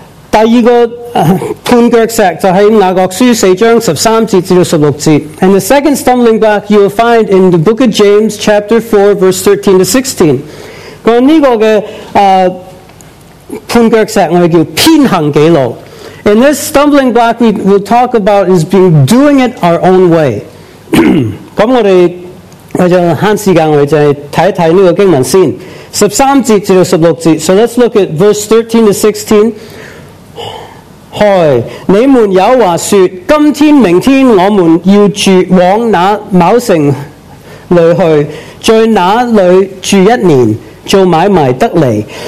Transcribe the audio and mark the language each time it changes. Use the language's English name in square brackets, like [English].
[Cantonese] 第二个半脚石就喺雅各书四章十三节至到十六节。 [English] And the second stumbling block you will find in the book of James, chapter 4, verse 13 to 16. [Cantonese] 这个半脚石我们叫偏行己路。 [English] And this stumbling block we will talk about is being doing it our own way. [Cantonese] 我们就悭时间，我们就看一看这个经文先。十三节至到十六节。 [English] So let's look at verse 13 to 16. [Cantonese] 嗨，你们有话说，今天明天我们要住往那某城里去，在那里住一年，做买卖得利。